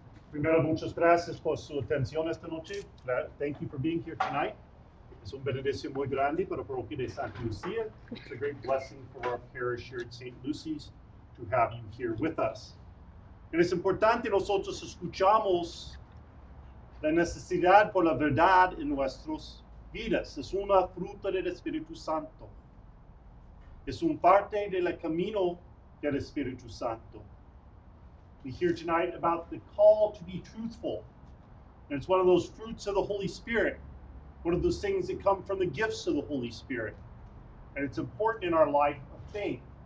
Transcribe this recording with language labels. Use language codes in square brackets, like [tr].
[es] Primero, muchas gracias por su atención esta noche. [en] Thank you for being here tonight. [es] Es un bendición muy grande para la parroquia de Santa Lucía. [en] It's a great blessing for our parish here at St. Lucie's to have you here with us. [es] Y es importante nosotros escuchamos la necesidad por la verdad en nuestras vidas. Es una fruta del Espíritu Santo. Es un parte del camino del Espíritu Santo. [en] We hear tonight about the call to be truthful. And it's one of those fruits of the Holy Spirit, one of those things that come from the gifts of the Holy Spirit. And it's important in our life of faith.